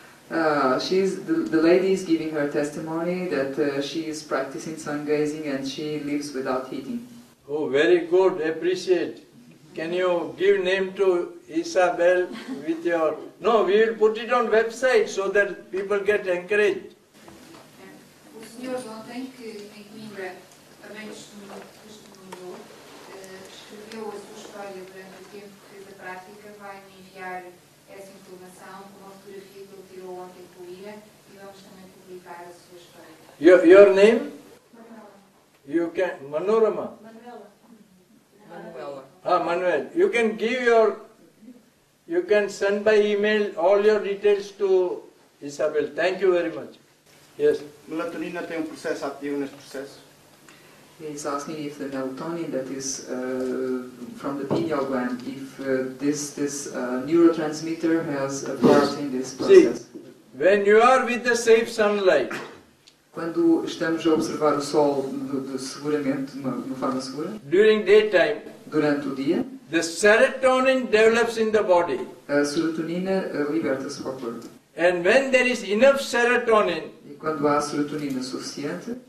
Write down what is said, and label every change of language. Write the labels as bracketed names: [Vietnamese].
[English] The lady is giving her testimony that she is practicing sun gazing and she lives without heating. Oh, very good. Appreciate. Can you give name to Isabel with your... No, we will put it on website so that people get encouraged. [Portuguese] O senhor ontem, que em Coimbra também testemunhou, escreveu a sua história durante o tempo. Prática, vai-me enviar essa informação com uma fotografia que ele tirou ontem com o Ira e vamos também publicar a sua história. [English] Your name? Manuela. You can... Manorama? Manuela. Ah, Manuel. You can give your... You can send by email all your details to Isabel. Thank you very much. Yes. [Portuguese] Melatonina tem um processo ativo neste processo? [English] He's asking if the melatonin that is from the pineal gland, if this neurotransmitter has a part in this process. See, when you are with the safe sunlight, [Portuguese] Quando estamos a observar o sol seguramente, de uma forma segura, [English] during daytime, [Portuguese] durante o dia, [English] the serotonin develops in the body. [Portuguese] A serotonina liberta-se para o corpo. [English] And when there is enough serotonin, [Portuguese] e quando há serotonina suficiente,